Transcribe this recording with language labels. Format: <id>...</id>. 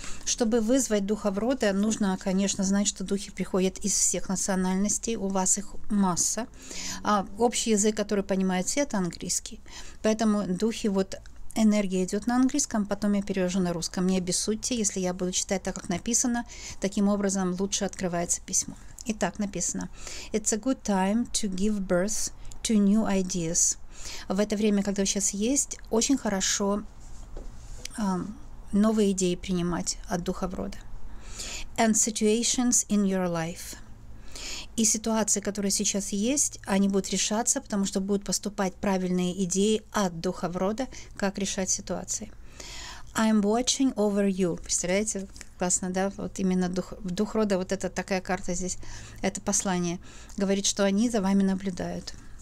<ru>Чтобы вызвать духов рода, нужно, конечно, знать, что духи приходят из всех национальностей, у вас их масса. А общий язык, который понимает все, это английский. Поэтому духи, вот энергия идет на английском, потом я перевожу на русском. Не обессудьте, если я буду читать так, как написано, таким образом лучше открывается письмо. Итак, написано.</ru> <en>It's a good time to give birth to new ideas.</en> <ru>В это время, когда сейчас есть, очень хорошо новые идеи принимать от духов рода.</ru> <en>And situations in your life.</en> <ru>И ситуации, которые сейчас есть, они будут решаться, потому что будут поступать правильные идеи от духов рода, как решать ситуации.</ru> <en>I'm watching over you.</en> <ru>Представляете, как классно, да? Вот именно дух рода, вот это такая карта здесь, это послание, говорит, что они за вами наблюдают.</ru>